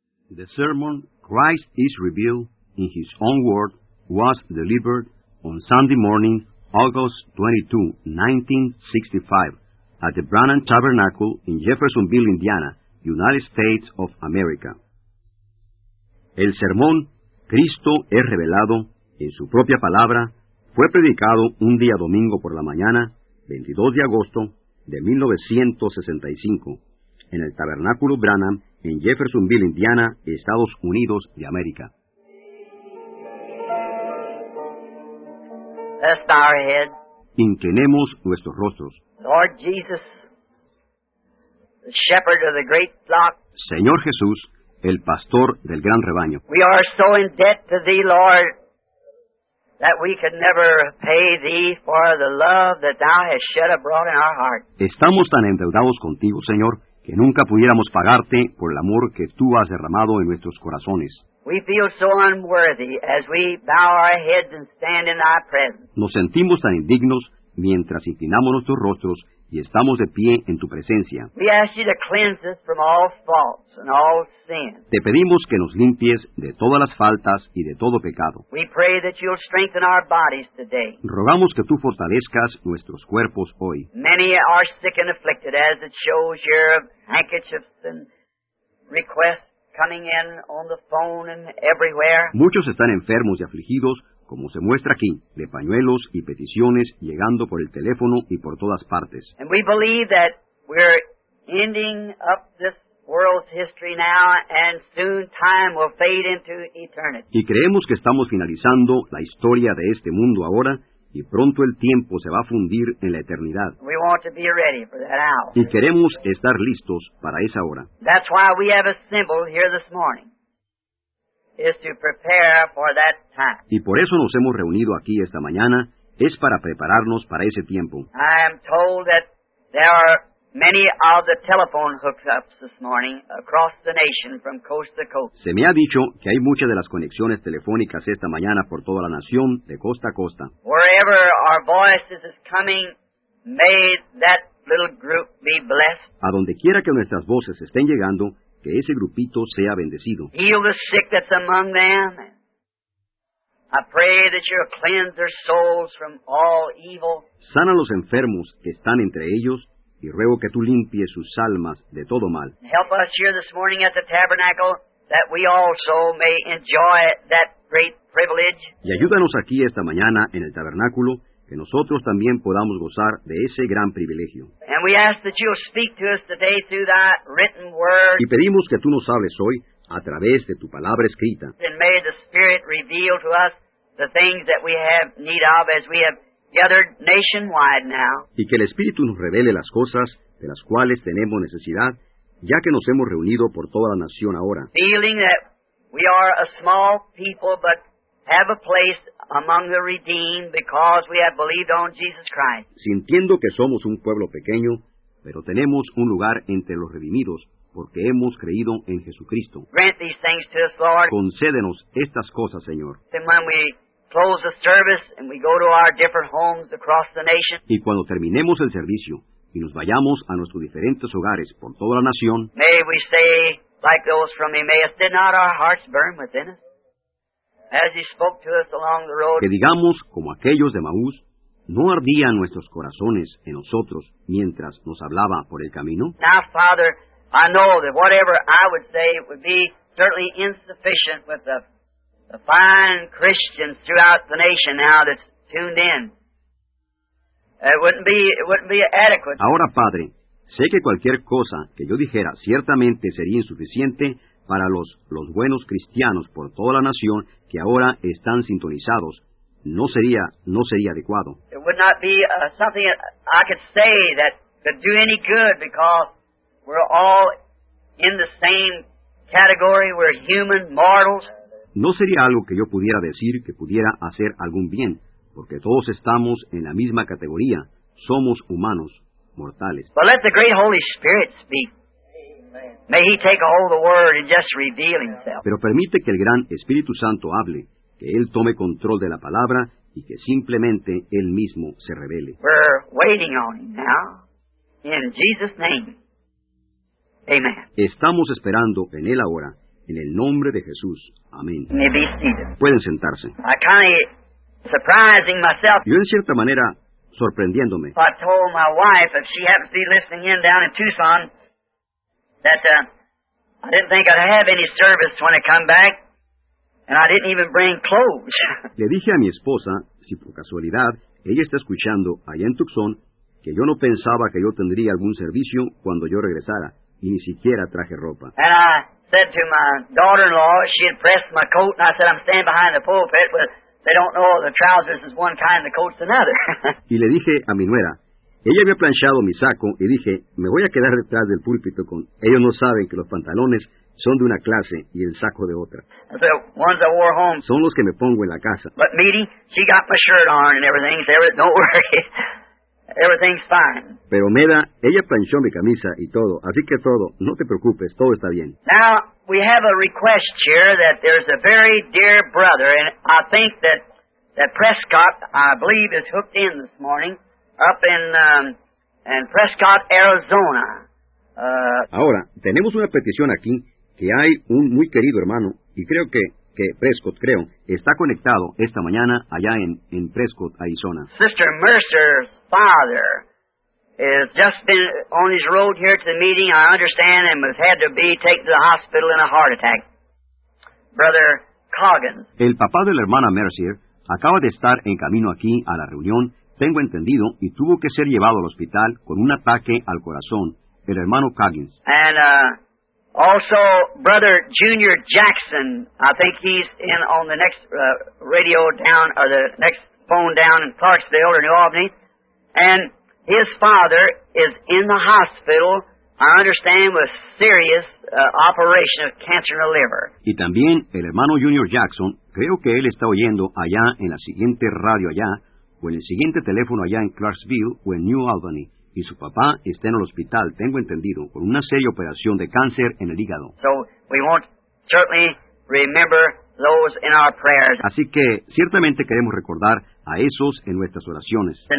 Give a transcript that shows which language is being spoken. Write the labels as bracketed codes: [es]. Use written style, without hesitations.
[en] The sermon Christ is Revealed in His Own Word was delivered on Sunday morning, August 22, 1965, at the Branham Tabernacle in Jeffersonville, Indiana, United States of America. [es] El sermón Cristo es Revelado en su propia palabra fue predicado un día domingo por la mañana, 22 de agosto de 1965, en el Tabernáculo Branham, en Jeffersonville, Indiana, Estados Unidos de América. [en] Let's bow our heads. [es] Inclinemos nuestros rostros. [en] Lord Jesus, the shepherd of the great flock. [es] Señor Jesús, el pastor del gran rebaño. [en] We are so in debt to Thee, Lord, that we could never pay Thee for the love that Thou hast shed abroad in our heart. [es] Estamos tan endeudados contigo, Señor, que nunca pudiéramos pagarte por el amor que Tú has derramado en nuestros corazones. [en] We feel so unworthy as we bow our heads and stand in Thy presence. [es] Nos sentimos tan indignos mientras inclinamos nuestros rostros y estamos de pie en Tu presencia. [en] We ask You to cleanse us from all faults and all sin. [es] Te pedimos que nos limpies de todas las faltas y de todo pecado. [en] We pray that You'll strengthen our bodies today. [es] Rogamos que Tú fortalezcas nuestros cuerpos hoy. [en] Many are sick and afflicted, as it shows your handkerchiefs and requests coming in on the phone and everywhere. [es] Muchos están enfermos y afligidos, como se muestra aquí, de pañuelos y peticiones llegando por el teléfono y por todas partes. [en] And we believe that we're ending up this world's history now, and soon time will fade into eternity. [es] Y creemos que estamos finalizando la historia de este mundo ahora, y pronto el tiempo se va a fundir en la eternidad. [en] We want to be ready for that hour. [es] Y queremos estar listos para esa hora. [en] That's why we have assembled here this morning. Is to prepare for that time. [es] Y por eso nos hemos reunido aquí esta mañana, es para prepararnos para ese tiempo. [en] I am told that there are many of the telephone hookups this morning across the nation from coast to coast. [es] Se me ha dicho que hay muchas de las conexiones telefónicas esta mañana por toda la nación, de costa a costa. [en] Wherever our voices is coming, may that little group be blessed. [es] A donde quiera que nuestras voces estén llegando, que ese grupito sea bendecido. [en] Heal the sick that's among them. I pray that You'll cleanse their souls from all evil. [es] Sana los enfermos que están entre ellos, y ruego que Tú limpies sus almas de todo mal. [en] Help us here this morning at the tabernacle, that we also may enjoy that great privilege. [es] Y ayúdanos aquí esta mañana en el tabernáculo, que nosotros también podamos gozar de ese gran privilegio. [en] And we ask that You'll speak to us today through Thy written word. [es] Y pedimos que Tú nos hables hoy a través de Tu palabra escrita. [en] And may the Spirit reveal to us the things that we have need of as we have gathered nationwide now. [es] Y que el Espíritu nos revele las cosas de las cuales tenemos necesidad, ya que nos hemos reunido por toda la nación ahora. [en] Feeling that we are a small people, but have a place among the redeemed because we have believed on Jesus Christ. [es] Sintiendo que somos un pueblo pequeño, pero tenemos un lugar entre los redimidos porque hemos creído en Jesucristo. [en] Grant these things to us, Lord. [es] Concédenos estas cosas, Señor. [en] And when we close the service and we go to our different homes across the nation. [es] Y cuando terminemos el servicio y nos vayamos a nuestros diferentes hogares por toda la nación. [en] May we say, like those from Emmaus, did not our hearts burn within us? As He spoke to us along the road. [es] Que digamos como aquellos de Maús, ¿no ardían nuestros corazones en nosotros mientras nos hablaba por el camino? [en] Now, Father, I know that whatever I would say would be certainly insufficient with the fine Christians throughout the nation now that's tuned in. It wouldn't be adequate. [es] Ahora, Padre, sé que cualquier cosa que yo dijera ciertamente sería insuficiente para los buenos cristianos por toda la nación que ahora están sintonizados. No sería adecuado. [en] It would not be something I could say that could do any good because we're all in the same category. We're human mortals. [es] No sería algo que yo pudiera decir que pudiera hacer algún bien, porque todos estamos en la misma categoría. Somos humanos mortales. [en] But let the great Holy Spirit speak. May He take a hold of the Word and just reveal Himself. [es] Pero permite que el gran Espíritu Santo hable, que Él tome control de la palabra y que simplemente Él mismo se revele. [en] We're waiting on Him now. In Jesus' name. Amen. [es] Estamos esperando en Él ahora, En el nombre de Jesús. Amén. [en] May be seated. [es] Pueden sentarse. [en] I kind of surprising myself. [es] Yo, en cierta manera, sorprendiéndome. [en] I told my wife, if she happens to be listening in down in Tucson, that I didn't think I'd have any service when I come back, and I didn't even bring clothes. [es] Le dije a mi esposa, si por casualidad ella está escuchando allá en Tucson, que yo no pensaba que yo tendría algún servicio cuando yo regresara, y ni siquiera traje ropa. [en] And I said to my daughter-in-law, she had pressed my coat, and I said, I'm standing behind the pulpit, but they don't know the trousers is one kind, the coat's another. [es] Y le dije a mi nuera, ella había planchado mi saco, y dije, me voy a quedar detrás del púlpito con... Ellos no saben que los pantalones son de una clase y el saco de otra. [en] The ones I wore home. [es] Son los que me pongo en la casa. [en] But Meaty, she got my shirt on and everything, so don't worry. Everything's fine. [es] Pero Meda, ella planchó mi camisa y todo, así que todo, no te preocupes, todo está bien. [en] Now, we have a request here that there's a very dear brother, and I think that Prescott, I believe, is hooked in this morning. Up in Prescott, Arizona. [es] Ahora, tenemos una petición aquí que hay un muy querido hermano, y creo que Prescott, creo, está conectado esta mañana allá en Prescott, Arizona. [en] Sister Mercer's father has just been on his road here to the meeting, I understand, and has had to be taken to the hospital in a heart attack. Brother Coggins. [es] El papá de la hermana Mercer acaba de estar en camino aquí a la reunión, tengo entendido, y tuvo que ser llevado al hospital con un ataque al corazón, el hermano Coggins. [en] And also Brother Junior Jackson, I think he's in on the next radio down, or the next phone down in Clarksville or New Albany. And his father is in the hospital, I understand, with serious operation of cancer in the liver. [es] Y también el hermano Junior Jackson, creo que él está oyendo allá en la siguiente radio allá, o en el siguiente teléfono allá en Clarksville o en New Albany, y su papá está en el hospital, tengo entendido, con una seria operación de cáncer en el hígado. [en] So we won't certainly remember those in our prayers. [es] Así que ciertamente queremos recordar a esos en nuestras oraciones.